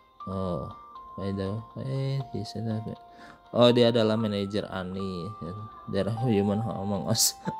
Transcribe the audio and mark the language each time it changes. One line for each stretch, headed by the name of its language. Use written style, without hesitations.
English: Oh, by the way, he's an upgrade.
Indonesian: Oh, dia adalah manajer Ani.
English: There are human among us.